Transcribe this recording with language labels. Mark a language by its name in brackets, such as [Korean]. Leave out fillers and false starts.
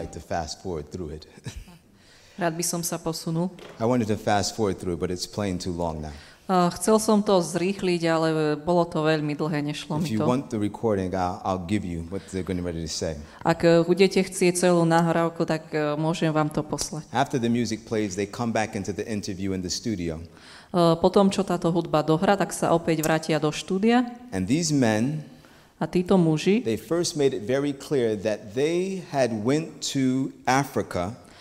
[English] Fast forward through it. [Slovak] Rád by som sa posunul. [English] I wanted to fast forward through it, but it's playing too long now. [Slovak] Chcel som to zrýchliť, ale bolo to veľmi dlhé, nešlo mi to. [English] If you want the recording, I'll give you what they're going to ready to say. [Slovak] Ak budete chcieť celú nahrávku, tak môžem vám to poslať. [English] After the music plays, they come back into the interview in the studio. [Slovak] Potom, čo táto hudba dohrá, tak sa opäť vrátia do štúdia. [English] And these men, [Slovak] a títo muži, [English] they first made it very clear that they had went to Africa.